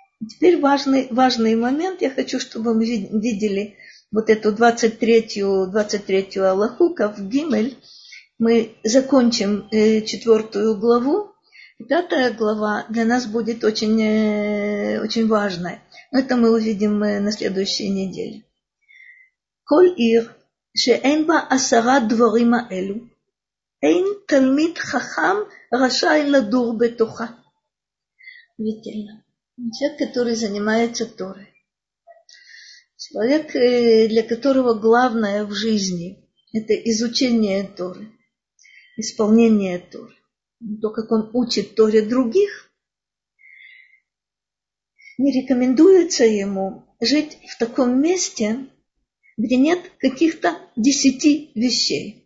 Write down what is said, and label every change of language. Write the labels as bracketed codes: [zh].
[ru] Теперь важный момент. Я хочу, чтобы мы видели вот эту 23-ю аллаху, кав гимель. Мы закончим 4-ю главу. 5-я глава для нас будет очень важной. Но это мы увидим на следующей неделе. [he] «Коль ир». שאין בה עשרה דברים האלו, אין תלמיד חכם רשאי לדור בתוכה. [ru] ותלנה, человек, который занимается Торой, человек, для которого главное в жизни, это изучение Торы, исполнение Торы, то, как он учит Торе других, не рекомендуется ему жить в таком месте, где нет каких-то 10 вещей.